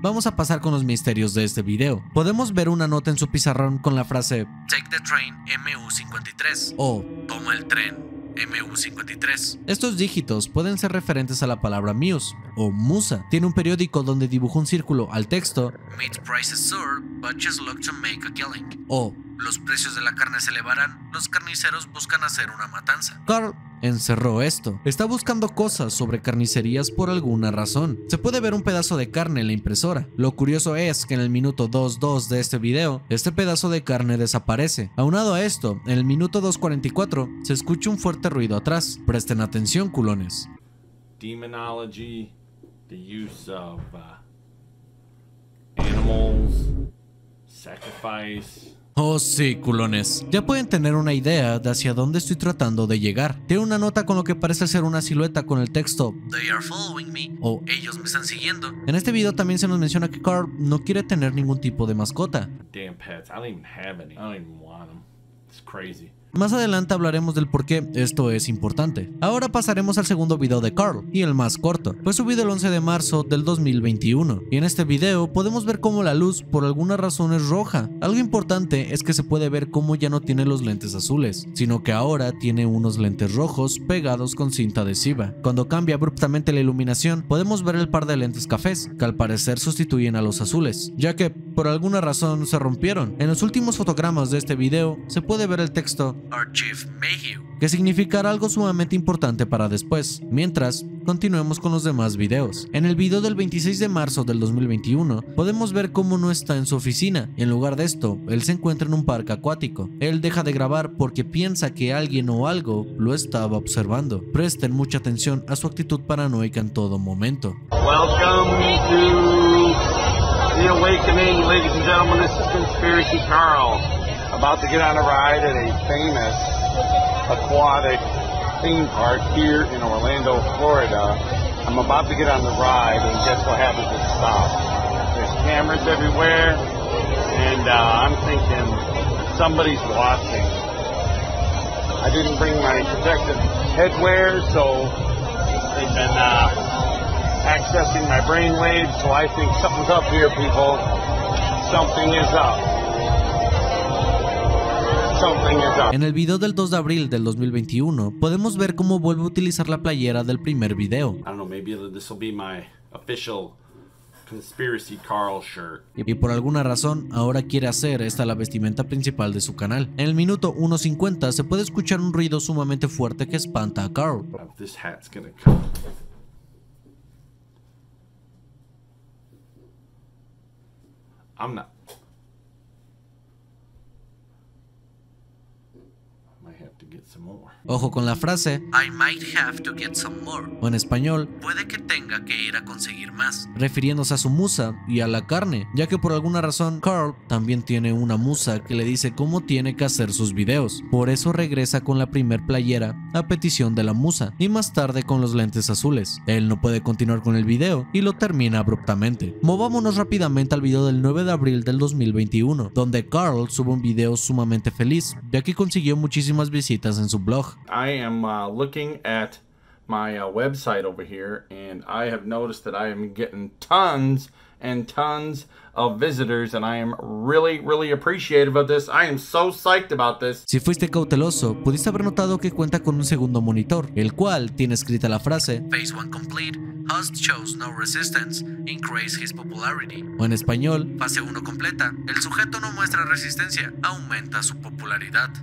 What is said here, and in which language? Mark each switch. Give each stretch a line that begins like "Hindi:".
Spanish: Vamos a pasar con los misterios de este video. Podemos ver una nota en su pizarrón con la frase
English: "Take the train MU53"
Spanish: o "Toma el tren MU53. Estos dígitos pueden ser referentes a la palabra Muse o musa. Tiene un periódico donde dibujó un círculo al texto
English: "Meat prices soar, but just look to make a killing"
Spanish: o "Los precios de la carne se elevarán, los carniceros buscan hacer una matanza". Carl encerró esto. Está buscando cosas sobre carnicerías por alguna razón. Se puede ver un pedazo de carne en la impresora. Lo curioso es que en el minuto 2.2 de este video, este pedazo de carne desaparece. Aunado a esto, en el minuto 2.44, se escucha un fuerte ruido atrás. Presten atención, culones.
English: Demonology, the use of animals, sacrifice.
Spanish: Oh sí, culones. Ya pueden tener una idea de hacia dónde estoy tratando de llegar. Tiene una nota con lo que parece ser una silueta con el texto
English: "They are following me"
Spanish: o "Ellos me están siguiendo". En este video también se nos menciona que Carl no quiere tener ningún tipo de mascota.
English: Damn pets, I don't even have any. I don't even want them. It's crazy.
Spanish: Más adelante hablaremos del por qué esto es importante. Ahora pasaremos al segundo video de Carl, y el más corto. Fue subido el 11 de marzo del 2021, y en este video podemos ver cómo la luz por alguna razón es roja. Algo importante es que se puede ver cómo ya no tiene los lentes azules, sino que ahora tiene unos lentes rojos pegados con cinta adhesiva. Cuando cambia abruptamente la iluminación, podemos ver el par de lentes cafés, que al parecer sustituyen a los azules, ya que por alguna razón se rompieron. En los últimos fotogramas de este video se puede ver el texto Archief Mayhew, que significará algo sumamente importante para después. Mientras, continuemos con los demás videos. En el video del 26 de marzo del 2021, podemos ver cómo no está en su oficina. En lugar de esto, él se encuentra en un parque acuático. Él deja de grabar porque piensa que alguien o algo lo estaba observando. Presten mucha atención a su actitud paranoica en todo momento.
English: Welcome to the awakening, ladies and gentlemen. This is Conspiracy Carl, about to get on a ride at a famous aquatic theme park here in Orlando, Florida. I'm about to get on the ride, and guess what happens at the stop? There's cameras everywhere, and I'm thinking somebody's watching. I didn't bring my protective headwear, so they've been accessing my brain waves, so I think something's up here, people. Something is up.
Spanish: En el video del 2 de abril del 2021, podemos ver cómo vuelve a utilizar la playera del primer video.
English: I don't know, maybe this will be my official Conspiracy Carl shirt.
Spanish: Y por alguna razón, ahora quiere hacer esta la vestimenta principal de su canal. En el minuto 1:50 se puede escuchar un ruido sumamente fuerte que espanta a Carl.
English: This hat's gonna come. I'm not.
Spanish: Ojo con la frase
English: I might have to get some more,
Spanish: o en español puede que tenga que ir a conseguir más, refiriéndose a su musa y a la carne, ya que por alguna razón Carl también tiene una musa que le dice cómo tiene que hacer sus videos. Por eso regresa con la primer playera a petición de la musa y más tarde con los lentes azules. Él no puede continuar con el video y lo termina abruptamente. Movámonos rápidamente al video del 9 de abril del 2021, donde Carl sube un video sumamente feliz, ya que consiguió muchísimas visitas en su blog.
English: I am looking at my website over here, and I have noticed that I am getting tons and tons of visitors, and I am really, really appreciative of this. I am so psyched about this.
Spanish: Si fuiste cauteloso, pudiste haber notado que cuenta con un segundo monitor, el cual tiene escrita la frase
English: Phase 1 complete. Host shows no resistance, increase his popularity.
Spanish: O en español, fase 1 completa, el sujeto no muestra resistencia, aumenta su popularidad.